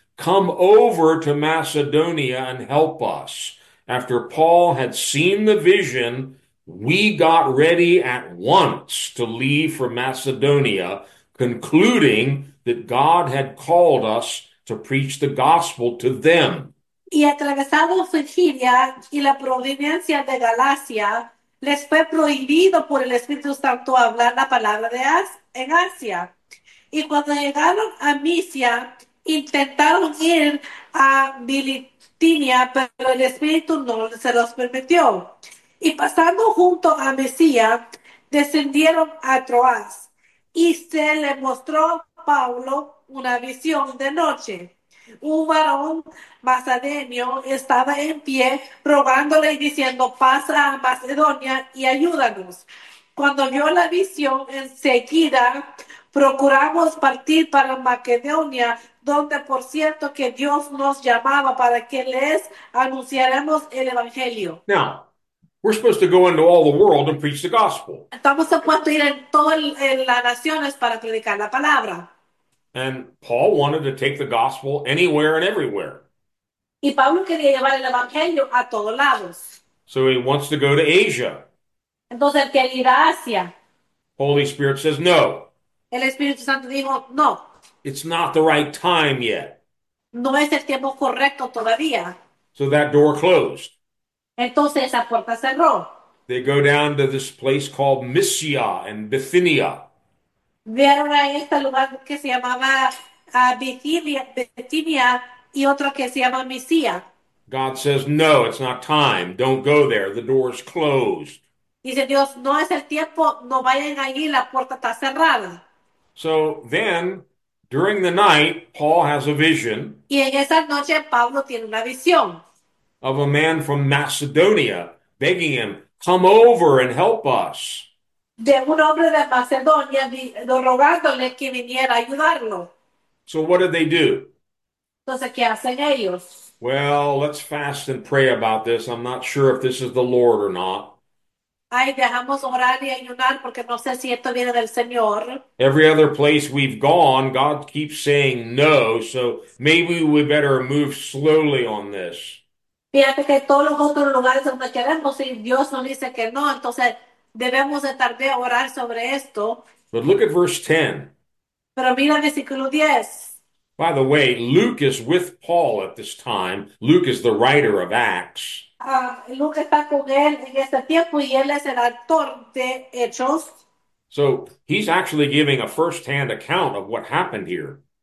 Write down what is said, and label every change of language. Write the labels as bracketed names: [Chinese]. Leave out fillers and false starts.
[English] come over to Macedonia and help us. After Paul had seen the vision, we got ready at once to leave for Macedonia, concluding that God had called us to preach the gospel to them. [Spanish] Y atravesado Frigia y la provincia de Galacia, les fue prohibido por el Espíritu Santo hablar la palabra de en Asia. Y cuando llegaron a Misia, intentaron ir a Bilitinia, pero el Espíritu no se los permitió. Y pasando junto a Mesía, descendieron a Troas y se le mostró a Pablo una visión de noche. Un varón macedonio estaba en pie rogándole y diciendo: pasa a Macedonia y ayúdanos. Cuando vio la visión, enseguida procuramos partir para Macedonia, donde por cierto que Dios nos llamaba para que les anunciáramos el Evangelio. [English] Now, we're supposed to go into all the world and preach the gospel. [Spanish] Estamos a punto de ir en todas las naciones para predicar la palabra. [English] And Paul wanted to take the gospel anywhere and everywhere. [Spanish] Y Pablo quería llevar el Evangelio a todos lados. [English] So he wants to go to Asia. [Spanish] Entonces, ¿quiere ir a Asia? [English] Holy Spirit says, no, [Spanish] El Espíritu Santo dijo, no. [English] it's not the right time yet. [Spanish] No es el tiempo correcto todavía. [English] So that door closed. [Spanish] Entonces, esa puerta cerró. [English] They go down to this place called Mysia and Bithynia. [Spanish] Vieron a este lugar que se llamaba Bitinia. Y otro que se llama Mesía. [English] God says, no, it's not time. Don't go there. The door's closed. [Spanish] Dice Dios, no es el tiempo, no vayan allí, la puerta está cerrada. [English] So then, during the night, Paul has a vision [Spanish] Y en esa noche Pablo tiene una visión. [English] of a man from Macedonia begging him, come over and help us. [Spanish] De un hombre de Macedonia rogándole que viniera a ayudarlo. [English] So what did they do? [Spanish] Entonces, ¿qué hacen ellos? [English] Well, let's fast and pray about this. I'm not sure if this is the Lord or not. [Spanish] Ay, dejamos orar y ayunar porque no sé si esto viene del Señor. [English] Every other place we've gone, God keeps saying no, so maybe we better move slowly on this. [Spanish] Fíjate que todos los otros lugares donde queremos ir, Dios nos dice que no, entonces debemos de tardar a orar sobre esto. [English] But look at verse 10. [Spanish] Pero mira el versículo 10. [English] By the way, Luke is with Paul at this time. Luke is the writer of Acts. [Spanish] Luke está con él en este tiempo y él es el autor de Hechos. [English] So he's actually giving a first-hand account of what happened here.